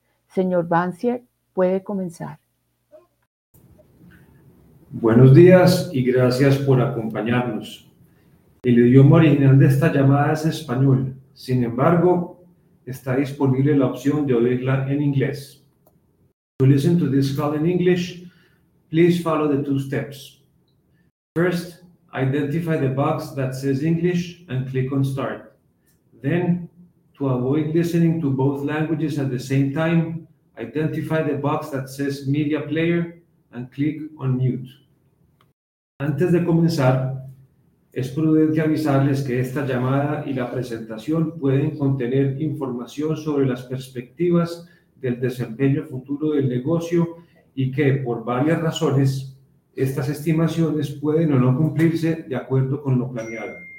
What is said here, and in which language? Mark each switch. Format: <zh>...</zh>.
<es>Señor Banzier, puede comenzar. Buenos días y gracias por acompañarnos. El idioma original de esta llamada es español, sin embargo, está disponible la opción de oírla en inglés.</es> <en>To listen to this call in English, please follow the two steps. First, identify the box that says English and click on Start. Then, to avoid listening to both languages at the same time, identify the box that says Media Player and click on Mute.</en> <es>Antes de comenzar, es prudente avisarles que esta llamada y la presentación pueden contener información sobre las perspectivas del desempeño futuro del negocio y que, por varias razones, estas estimaciones pueden o no cumplirse de acuerdo con lo planeado.</es>